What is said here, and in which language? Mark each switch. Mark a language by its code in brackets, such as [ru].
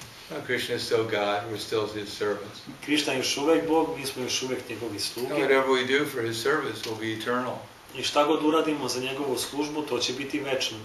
[en] No, Krishna is still God, we're still his servants. [sr] Krishna je još uvek Bog, mi smo još uvek njegovi sluge. [en] And whatever we do for his service will be eternal. [sr] I šta god uradimo za njegovu službu, to će biti večno.